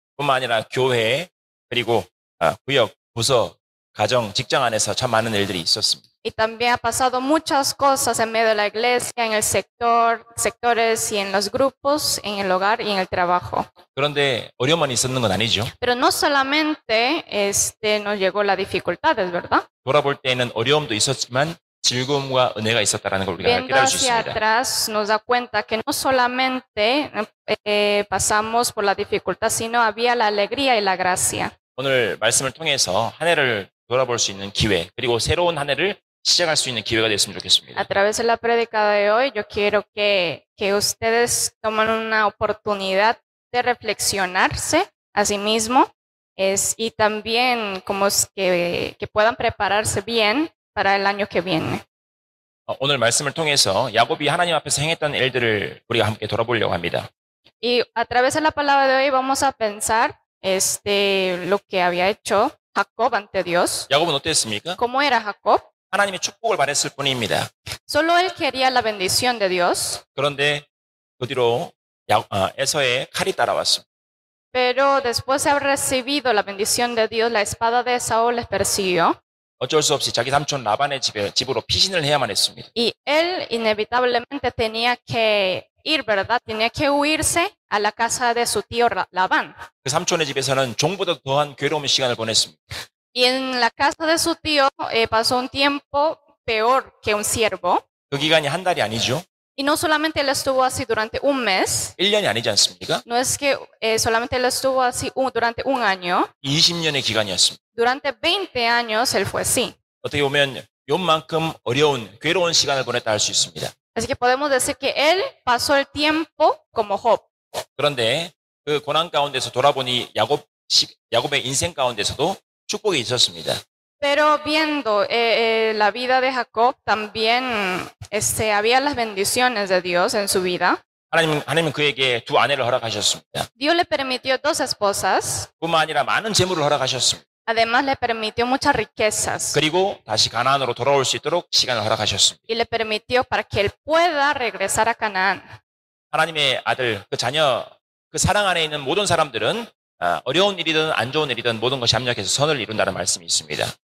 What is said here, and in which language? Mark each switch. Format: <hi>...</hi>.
<ko>뿐만 아니라 교회 그리고 구역, 부서, 가정, 직장 안에서 참 많은 일들이 있었습니다.</ko> <es>Y también ha pasado muchas cosas en medio de la iglesia, en el sectores y en los grupos, en el hogar y en el trabajo.</es> <ko>그런데 어려움만 있었는 건 아니죠.</ko> <es>Pero no solamente nos llegó la dificultad, ¿verdad?</es> <ko>돌아볼 때에는 어려움도 있었지만 즐거움과 은혜가 있었다라는 걸 우리가 깨달을 수 있습니다.</ko> <es>Viendo hacia atrás nos da cuenta que no solamente pasamos por la dificultad, sino había la alegría y la gracia.</es> <ko>오늘 말씀을 통해서 한 해를 돌아볼 수 있는 기회, 그리고 새로운 한 해를 시작할 수 있는 기회가 됐으면 좋겠습니다.</ko> <es>A través de la prédica de hoy, yo quiero que ustedes tomen una oportunidad de reflexionarse a sí mismo y también como que puedan prepararse bien para el año que viene.</es> <ko>오늘 말씀을 통해서 야곱이 하나님 앞에서 행했던 일들을 우리가 함께 돌아보려고 합니다.</ko> <es>Y a través de la palabra de hoy vamos a pensar lo que había hecho Jacob ante Dios.</es> <ko>야곱은 어땠습니까?</ko> <es>¿Cómo era Jacob?</es> <ko>하나님의 축복을 바랬을 뿐입니다.</ko> <es>Solo él quería la bendición de Dios.</es> <ko>그런데 그 뒤로 에서의 칼이 따라왔습니다.</ko> <es>Pero después de haber recibido la bendición de Dios, la espada de Saúl les persiguió.</es> <ko>어쩔 수 없이 자기 삼촌 라반의 집으로 피신을 해야만 했습니다.</ko> <es>Y él inevitablemente tenía que ir, ¿verdad? Tenía que huirse a la casa de su tío Labán.</es> <ko>그 삼촌의 집에서는 종보다 더한 괴로움의 시간을 보냈습니다.</ko> <es>Y en la casa de su tío pasó un tiempo peor que un siervo.</es> <ko>그 기간이 한 달이 아니죠.</ko> <es>Y no solamente él estuvo así durante un mes.</es> <ko>1년이 아니지 않습니까?</ko> <es>No es que solamente él estuvo así durante un año.</es> <ko>20년의 기간이었습니다.</ko> <es>Durante 20 años él fue así.</es> <ko>어떻게 보면 요만큼 어려운 괴로운 시간을 보냈다 할 수 있습니다.</ko> <es>Así que podemos decir que él pasó el tiempo como Job.</es> <ko>그런데 그 고난 가운데서 돌아보니 야곱의 인생 가운데서도 축복이 있었습니다.</ko> <es>Pero viendo la vida de Jacob también había las bendiciones de Dios en su vida.</es> <ko>하나님은 그에게 두 아내를 허락하셨습니다.</ko> <es>Dios le permitió dos esposas.</es> <ko>뿐만 아니라 많은 재물을 허락하셨습니다.</ko> <es>Además le permitió muchas riquezas.</es> <ko>그리고 다시 가나안으로 돌아올 수 있도록 시간을 허락하셨습니다.</ko> <es>Y le permitió para que él pueda regresar a Canaán.</es> <ko>하나님의 아들, 그 자녀, 그 사랑 안에 있는 모든 사람들은 어려운 일이든 안 좋은 일이든 모든 것이 합력해서 선을 이룬다는 말씀이 있습니다.</ko>